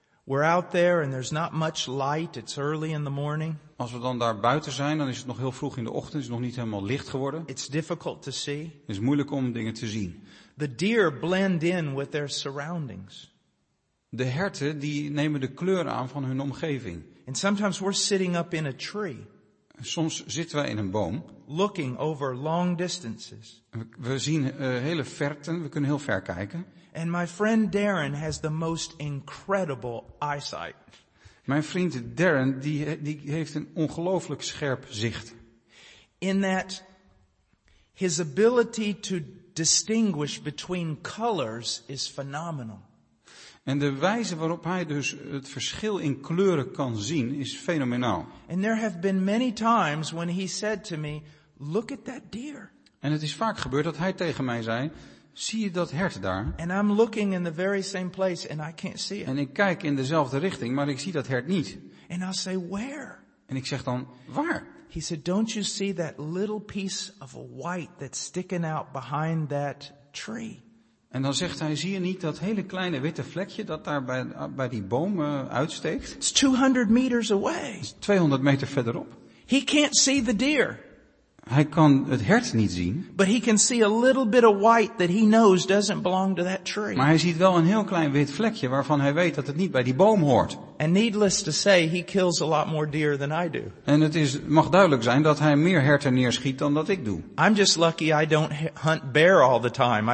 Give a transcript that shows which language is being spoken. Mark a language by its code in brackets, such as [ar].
[en] We're out there and there's not much light. It's early in the morning. [nl] Als we dan daar buiten zijn, dan is het nog heel vroeg in de ochtend. Het is nog niet helemaal licht geworden. [en] It's difficult to see. [nl] Het is moeilijk om dingen te zien. [en] The deer blend in with their surroundings. [nl] De herten die nemen de kleur aan van hun omgeving. [en] And sometimes we're sitting up in a tree. [nl] Soms zitten wij in een boom. [en] Looking over long distances. [nl] We zien hele verten. We kunnen heel ver kijken. [en] And my friend Darren has the most incredible eyesight. [nl] Mijn vriend Darren die heeft een ongelooflijk scherp zicht. [en] In that his ability to distinguish between colors is phenomenal. [nl] En de wijze waarop hij dus het verschil in kleuren kan zien is fenomenaal. [en] And there have been many times when he said to me, "Look at that deer." [nl] En het is vaak gebeurd dat hij tegen mij zei, zie je dat hert daar? [en] And I'm looking in the very same place and I can't see it. [nl] En ik kijk in dezelfde richting, maar ik zie dat hert niet. [en] And I say, "Where?" [nl] En ik zeg dan, waar? [en] He said, "Don't you see that little piece of white that's sticking out behind that tree?" [nl] En dan zegt hij, zie je niet dat hele kleine witte vlekje dat daar bij die boom uitsteekt? [en] It's 200 meters away. [nl] Is 200 meter verderop. [en] He can't see the deer. [nl] Hij kan het hert niet zien. [en] But he can see a little bit of white that he knows doesn't belong to that tree. [nl] Maar hij ziet wel een heel klein wit vlekje waarvan hij weet dat het niet bij die boom hoort. [en] And needless to say, he kills a lot more deer than I do. [nl] En het is mag duidelijk zijn dat hij meer herten neerschiet dan dat ik doe. [en] I'm just lucky I don't hunt bear all the time.